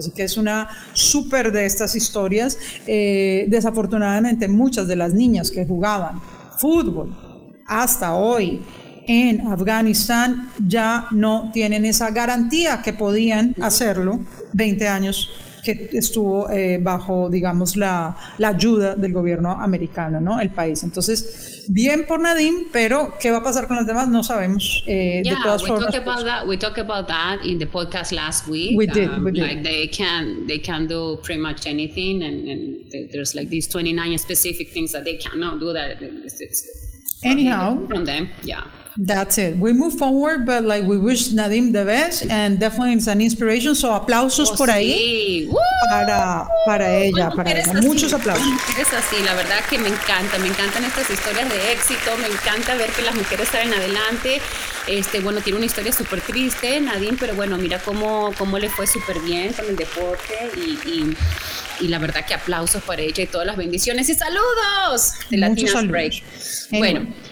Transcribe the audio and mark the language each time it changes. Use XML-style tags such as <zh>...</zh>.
<es>Así que es una súper de estas historias. Desafortunadamente, muchas de las niñas que jugaban fútbol hasta hoy en Afganistán ya no tienen esa garantía que podían hacerlo 20 años que estuvo bajo, digamos, la ayuda del gobierno americano, ¿no? El país. Entonces, bien por Nadine, pero ¿qué va a pasar con las demás? No sabemos. De todas formas.</es> <en>We talked about that in the podcast last week. We did. Like they can do pretty much anything, and there's like these 29 specific things that they cannot do that. Anyhow, from them, yeah. That's it. We move forward, but like we wish Nadine the best, and definitely it's an inspiration.</en> <es>So aplausos por ahí. Para ella, bueno, para ella. Muchos aplausos. Es así, la verdad que me encantan estas historias de éxito, me encanta ver que las mujeres salen adelante. Bueno, tiene una historia súper triste, Nadine, pero bueno, mira cómo le fue súper bien con el deporte, y la verdad que aplausos para ella y todas las bendiciones y saludos de Latinas Break. Bueno.</es>